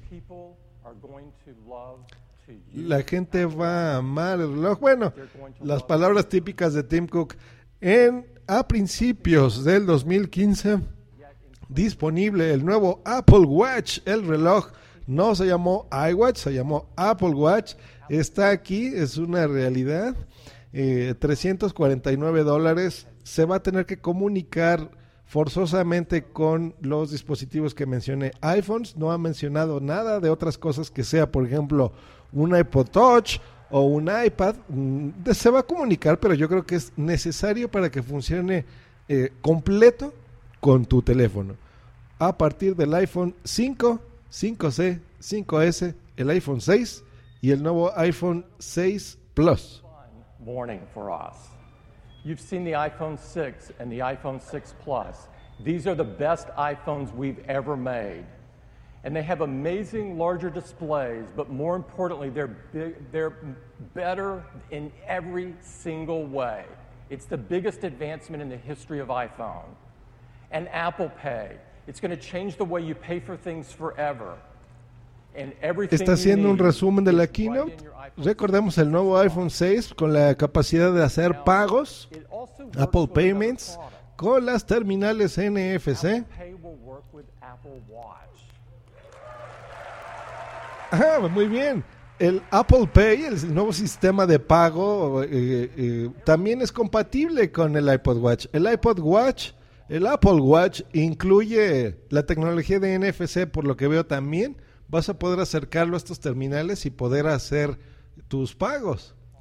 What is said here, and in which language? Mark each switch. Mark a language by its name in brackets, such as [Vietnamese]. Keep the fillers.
[English] People are going to love to use [Spanish] La gente va a amar el reloj. Bueno, las palabras típicas de Tim Cook. En, a principios del 2015, disponible el nuevo Apple Watch. El reloj no se llamó iWatch, se llamó Apple Watch. Está aquí, es una realidad. Eh, 349 dólares. Se va a tener que comunicar forzosamente con los dispositivos que mencioné. iPhones no ha mencionado nada de otras cosas que sea, por ejemplo, un iPod Touch o un iPad. Mm, de- Se va a comunicar, pero yo creo que es necesario para que funcione eh, completo con tu teléfono. A partir del iPhone 5, 5C, 5S, el iPhone 6 y el nuevo iPhone 6 Plus. [English] warning for us. You've seen the iPhone 6 and the iPhone 6 Plus. These are the best iPhones we've ever made. And they have amazing larger displays, but more importantly, they're, big, they're better in every single way. It's the biggest advancement in the history of iPhone. And Apple Pay. It's going to change the way you pay for things forever. And everything [Spanish] Está [English] you [Spanish] haciendo un [English] need [Spanish] resumen de la [English] is right [Spanish] keynote. [English] in your iPhone. [Spanish] Recordemos el nuevo iPhone 6 con la capacidad de hacer pagos, Apple Payments, con las terminales NFC. [English] Pay will work with Apple Watch. [Spanish] Ajá, muy bien. El Apple Pay, el nuevo sistema de pago, eh, eh, también es compatible con el iPod Watch. El iPod Watch, el Apple Watch incluye la tecnología de NFC, por lo que veo también. Vas a poder acercarlo a estos terminales y poder hacer tus pagos.